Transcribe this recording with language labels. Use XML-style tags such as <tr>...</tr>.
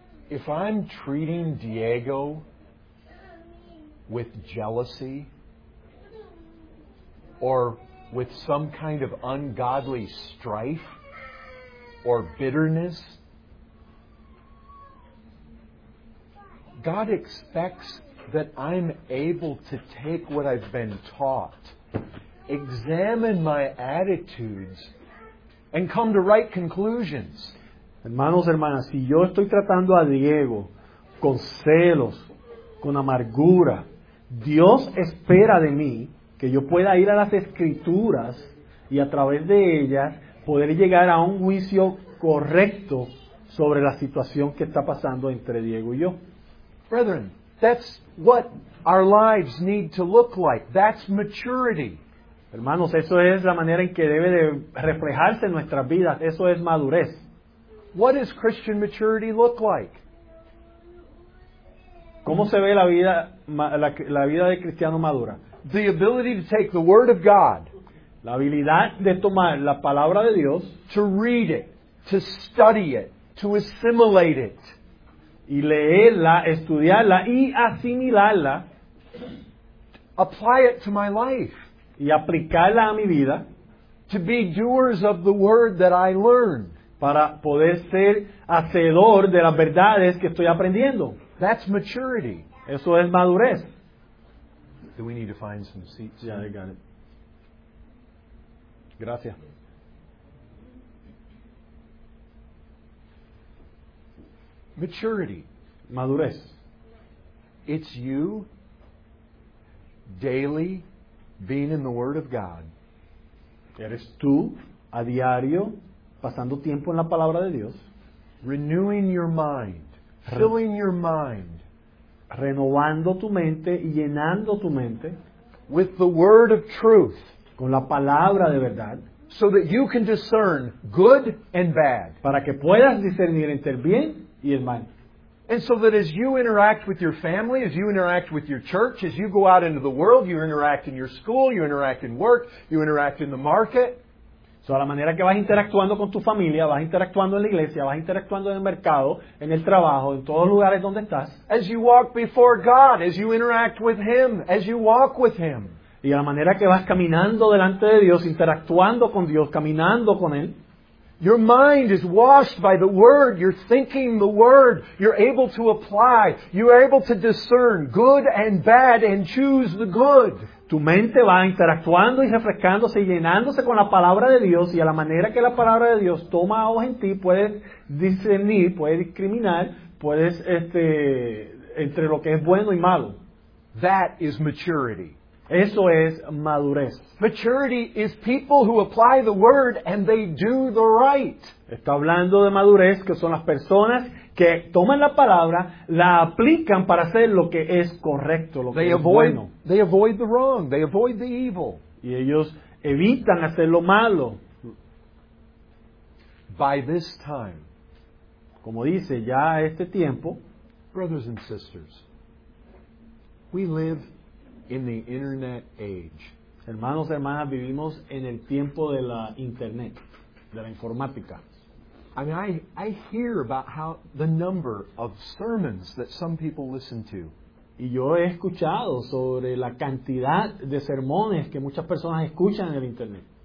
<en>If I'm treating Diego with jealousy or with some kind of ungodly strife or bitterness, God expects that I'm able to take what I've been taught, examine my attitudes, and come to right conclusions.</en> <es>Hermanos, hermanas, si yo estoy tratando a Diego con celos, con amargura, Dios espera de mí que yo pueda ir a las Escrituras y a través de ellas poder llegar a un juicio correcto sobre la situación que está pasando entre Diego y yo.</es> <en>Brethren, that's what our lives need to look like. That's maturity.</en> <es>Hermanos, eso es la manera en que debe de reflejarse en nuestras vidas. Eso es madurez.</es> <en>What does Christian maturity look like?</en> <es>¿Cómo se ve la vida de cristiano madura?</es> <en>The ability to take the word of God.</en> <es>La habilidad de tomar la palabra de Dios.</es> <en>To read it, to study it, to assimilate it.</en> <es>Y leerla, estudiarla y asimilarla.</es> <en>Apply it to my life.</en> <es>Y aplicarla a mi vida.</es> <en>To be doers of the word that I learned.</en> <es>Para poder ser hacedor de las verdades que estoy aprendiendo.</es> <en>That's maturity.</en> <es>Eso es madurez.</es> <en>Do we need to find some seats? Yeah, I got it.</en> <es>Gracias.</es> <en>Maturity.</en> <es>Madurez.</es> <en>It's you daily being in the Word of God.</en> <es>Eres tú a diario pasando tiempo en la Palabra de Dios.</es> <en>Renewing your mind. Filling your mind.</en> <es>Renovando tu mente y llenando tu mente.</es> <en>With the Word of Truth.</en> <es>Con la Palabra de Verdad.</es> <en>So that you can discern good and bad.</en> <es>Para que puedas discernir entre el bien.</es> <en>And so that as you interact with your family, as you interact with your church, as you go out into the world, you interact in your school, you interact in work, you interact in the market.</en> <es>So a la manera que vas interactuando con tu familia, vas interactuando en la iglesia, vas interactuando en el mercado, en el trabajo, en todos los lugares donde estás.</es> <en>As you walk before God, as you interact with Him, as you walk with Him.</en> <es>Y a la manera que vas caminando delante de Dios, interactuando con Dios, caminando con Él.</es> <en>Your mind is washed by the Word. You're thinking the Word. You're able to apply. You're able to discern good and bad and choose the good.</en> <es>Tu mente va interactuando y refrescándose y llenándose con la Palabra de Dios y a la manera que la Palabra de Dios toma hoja en ti, puedes discernir, puedes discriminar, puedes entre lo que es bueno y malo.</es> <en>That is maturity.</en> <es>Eso es madurez.</es> <en>Maturity is people who apply the word and they do the right.</en> <es>Está hablando de madurez, que son las personas que toman la palabra, la aplican para hacer lo que es correcto, lo que</es> <en>they</en> <es>es</es> <en>avoid,</en> <es>bueno.</es> <en>They avoid the wrong, they avoid the evil.</en> <es>Y ellos evitan hacer lo malo.</es> <en>By this time,</en> <es>como dice, ya a este tiempo,</es> <en>brothers and sisters, we live in the internet age.</en> <es>Hermanos, hermanas, vivimos en el tiempo de la internet, de la informática.</es> <en>I mean, I hear about how the number of sermons that some people listen to.</en> <es>Y yo he escuchado sobre la cantidad de sermones que muchas personas escuchan en el internet.</es>